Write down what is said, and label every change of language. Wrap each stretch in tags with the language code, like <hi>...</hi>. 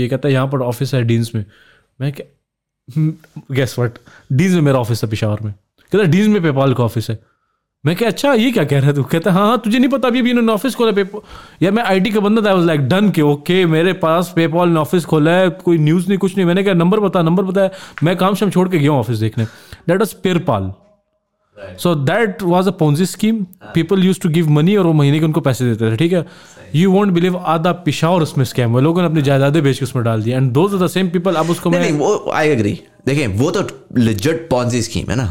<ur>یہ کہتا ہے یہاں پر آفس ہے ڈینس میں. میں کہ</ur> <en>guess what,</en> <ur>ڈینس میں میرا آفس ہے پشاور میں. کہتا ہے ڈینس میں پے پال کا آفس ہے. میں کہ اچھا یہ کیا کہہ رہا ہے تو. کہتا ہے ہاں ہاں تجھے نہیں پتا ابھی ابھی انہوں نے آفس کھولا پے پال. یا میں آئی ٹی کا بندہ تھا,</ur> <en>I was like done</en> <ur>کہ اوکے میرے پاس پے پال نے آفس کھولا ہے, کوئی نیوز نہیں کچھ نہیں. میں نے کہا نمبر بتا, نمبر بتایا. میں کام شام چھوڑ کے گیا ہوں آفس دیکھنے.</ur> <en>That was pay Pal. So that was a پونزی scheme. People use to give money</en> <ur>اور وہ مہینے کے ان کو پیسے دیتے تھے. ٹھیک ہے,</ur> <en>you won't believe</en> <ur>آدھا پشاور اس میں اسکیم ہے. لوگوں نے اپنی جائیدادیں بیچ کے اس میں ڈال دی.</ur> <en>And those are the same people.</en> <ur>اب اس کو</ur> <en>میں I agree.</en> <ur>دیکھیں وہ تو لیجٹ پونزی اسکیم ہے نا.</ur>